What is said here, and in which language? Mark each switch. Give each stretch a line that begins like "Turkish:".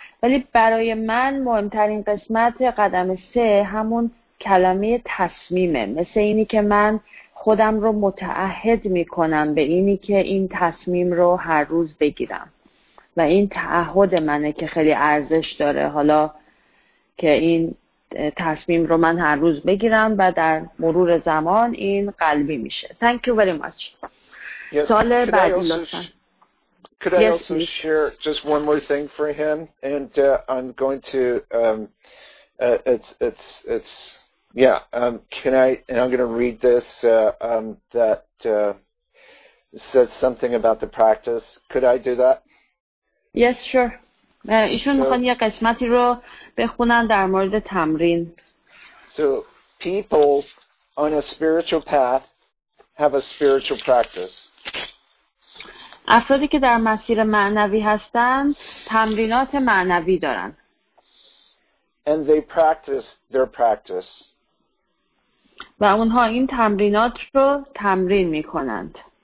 Persian: ولی برای من مهمترین قسمت قدم 3 همون کلمه تصمیمه، مثل اینی که من خودم رو متعهد میکنم به اینی که این تصمیم رو هر روز بگیرم و این تعهد منه که خیلی ارزش داره، حالا که این تصمیم رو من هر روز بگیرم و در مرور زمان این قلبی میشه.
English: Thank you very much. Yes. Could I also share just one more thing for him? And I'm going to said something about the practice. Could I do that? Yes, sure.
Persian: ایشون میخوان یه قسمتی رو بخونن در مورد تمرین.
English: So people on a spiritual path have a spiritual practice.
Persian: افرادی که در مسیر معنوی هستند تمرینات معنوی دارند.
English: And they practice their practice.
Persian: و اونها این تمرینات رو تمرین می کنند.